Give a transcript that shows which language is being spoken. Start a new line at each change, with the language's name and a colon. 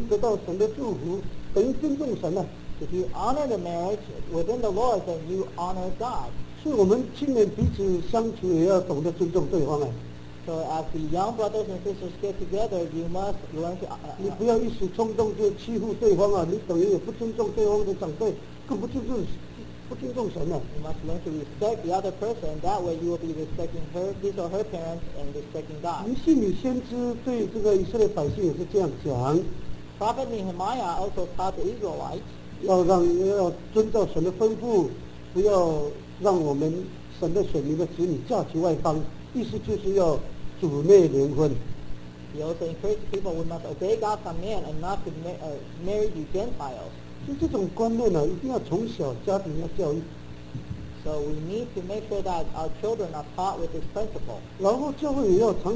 Chinese: 你尊重婚姻，能够在主内联婚得到神的祝福，等于尊重神啊。
English: If you honor the marriage within the Lord, then you honor God.
Chinese: 是我们青年彼此相处也要懂得尊重对方啊。
English: So as the young brothers and sisters get together, you must learn to...
Chinese: 你不要一时冲动就欺负对方啊，你等于也不尊重对方的长辈，更不尊重神了。
English: You must learn to respect the other person. That way you will be respecting his or her parents and respecting God.
Chinese: 尼希米先知对这个以色列百姓也是这样讲。
English: Prophet Nehemiah also taught the Israelites.
Chinese: 要尊重神的吩咐，不要让我们神的选民的子女嫁娶外邦，意思就是要
English: He also encouraged people we must obey God's command and not to marry the Gentiles.
Chinese: 就这种观念呢，一定要从小家庭要教育。
English: So we need to make sure that our children are taught with this principle.